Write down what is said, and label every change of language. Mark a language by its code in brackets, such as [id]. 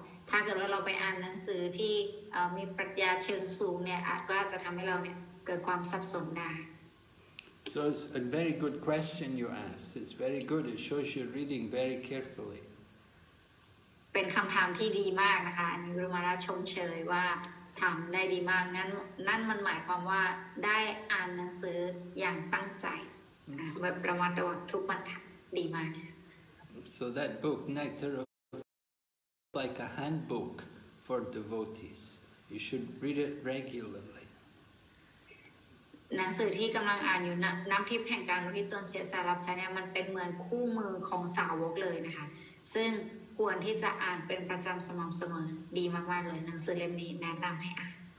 [th] ถ้าเกิดว่าเราไปอ่านหนังสือที่มีปรัชญาเชิงสูงเนี่ยก็อาจจะทำให้เราเนี่ยเกิดความสับสนได้ [en] So it's a very good question you asked. It's very good. It shows you're reading very carefully. [th] เป็นคำถามที่ดีมากนะคะอันนี้ครูมาราชมเชยว่าถามได้ดีมากงั้นนั่นมันหมายความว่าได้อ่านหนังสืออย่างตั้งใจแบบประมาณทุกวันดีมาก [en] So that book Nectar ofLike a handbook for devotees, you should read it regularly. [th] หนังสือที่กำลังอ่านอยู่น้ำทิพย์แห่งการรู้ที่ตนเสียสละรับใช้เนี่ยมันเป็นเหมือนคู่มือของสาวกเลยนะคะซึ่งควรที่จะอ่านเป็นประจำสม่ำเสมอดีมากๆเลยหนังสือเล่มนี้แนะนำให้อ่าน